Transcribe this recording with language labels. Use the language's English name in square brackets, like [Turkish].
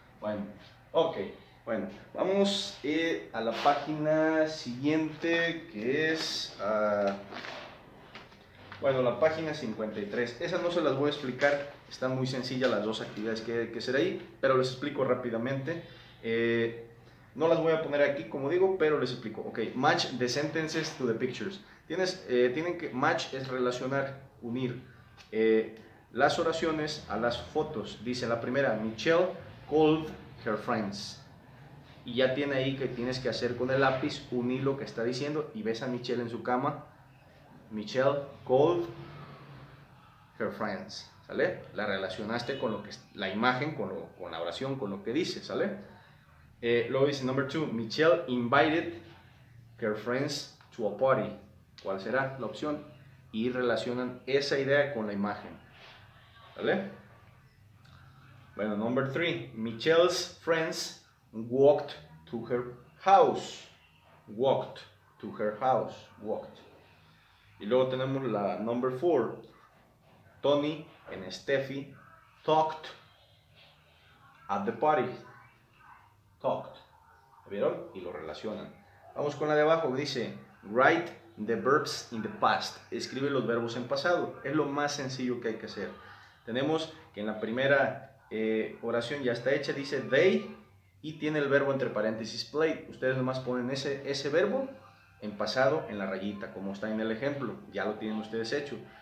[Spanish] Bueno, ok, bueno, vamos a la página siguiente, que es... Bueno, la página 53, esa no se las voy a explicar, están muy sencillas las dos actividades que hay que hacer ahí, pero les explico rápidamente. No las voy a poner aquí, como digo, pero les explico. [English] Ok, match the sentences to the pictures. [Spanish] Tienen que, match es relacionar, unir las oraciones a las fotos. Dice la primera, [English] Michelle called her friends. [Spanish] Y ya tiene ahí que tienes que hacer con el lápiz, unir lo que está diciendo y ves a Michelle en su cama. [English] Michelle called her friends, ¿sale? [Spanish] La relacionaste con lo que, la imagen, con la oración, con lo que dice, ¿sale? Luego dice, [English] number two, Michelle invited her friends to a party. [Spanish] ¿Cuál será la opción? Y relacionan esa idea con la imagen, ¿sale? [English] Bueno, number three, Michelle's friends walked to her house. Walked to her house, walked. [Spanish] Y luego tenemos la number four. [English] Tony and Steffi talked at the party. [Spanish] Talked. ¿Lo vieron? Y lo relacionan. Vamos con la de abajo. [English] Dice, write the verbs in the past. [Spanish] Escribe los verbos en pasado. Es lo más sencillo que hay que hacer. Tenemos que en la primera oración ya está hecha. Dice, they. Y tiene el verbo entre paréntesis, played. Ustedes nomás ponen ese verbo en pasado, en la rayita, como está en el ejemplo, ya lo tienen ustedes hecho.